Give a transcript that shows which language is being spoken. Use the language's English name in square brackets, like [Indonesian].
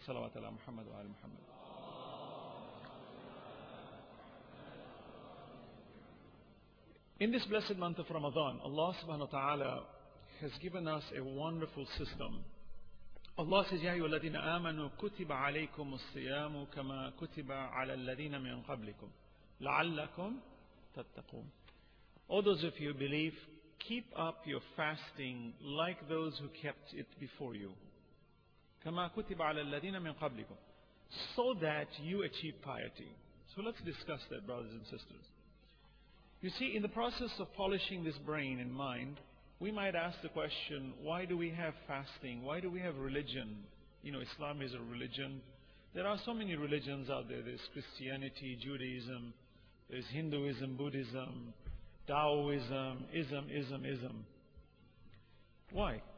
[Arabic] Salawat ala Muhammad wa ala Muhammad. [English] In this blessed month of Ramadan, Allah subhanahu wa ta'ala has given us a wonderful system. [Arabic] Allah says, يَا أَيُّهَا الَّذِينَ آمَنُوا كُتِبَ عَلَيْكُمُ الصِّيَامُ كَمَا كُتِبَ عَلَى الَّذِينَ مِنْ قَبْلِكُمْ لَعَلَّكُمْ تَتَّقُونَ. [English] All those of you who believe, keep up your fasting like those who kept it before you. [Arabic] كَمَا كُتِبَ عَلَى الَّذِينَ مِنْ قَبْلِكُمْ, [English] so that you achieve piety. So let's discuss that, brothers and sisters. You see, in the process of polishing this brain and mind, we might ask the question, why do we have fasting? Why do we have religion? You know, Islam is a religion. There are so many religions out there. There's Christianity, Judaism, there's Hinduism, Buddhism, Taoism, ism. Why?